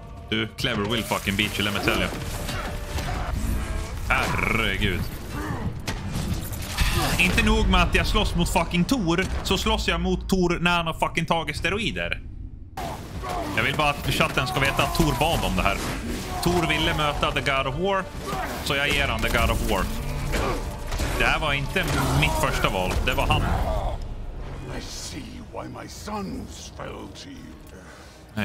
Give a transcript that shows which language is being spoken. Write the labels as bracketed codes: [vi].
[en] Du, clever will fucking beat you, let me tell you. [sv] Herregud. Inte nog med att jag slåss mot fucking Thor, så slåss jag mot Thor när han har fucking tagit steroider. Jag vill bara att chatten ska veta att Thor bad om det här. Thor ville möta The God of War, så jag ger han The God of War. Det här var inte mitt första val, det var han. [en] I see why my sons fell to you.